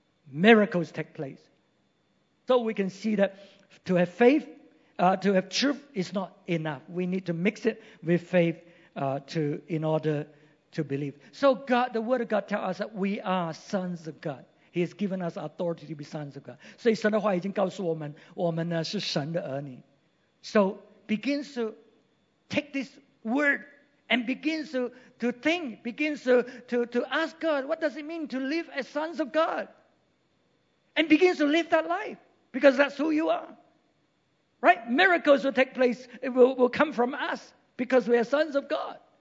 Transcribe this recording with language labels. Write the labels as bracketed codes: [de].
[en] Miracles take place. So we can see that to have faith, to have truth is not enough. We need to mix it with faith in order to believe. So God, the Word of God tells us that we are sons of God. He has given us authority to be sons of God. [zh] 所以神的话已经告诉我们, 我们呢是神的儿女。 [en] So begins to take this word and begins to think, begins to ask God, what does it mean to live as sons of God? And begins to live that life because that's who you are. Right? Miracles will take place. It will come from us because we are sons of God.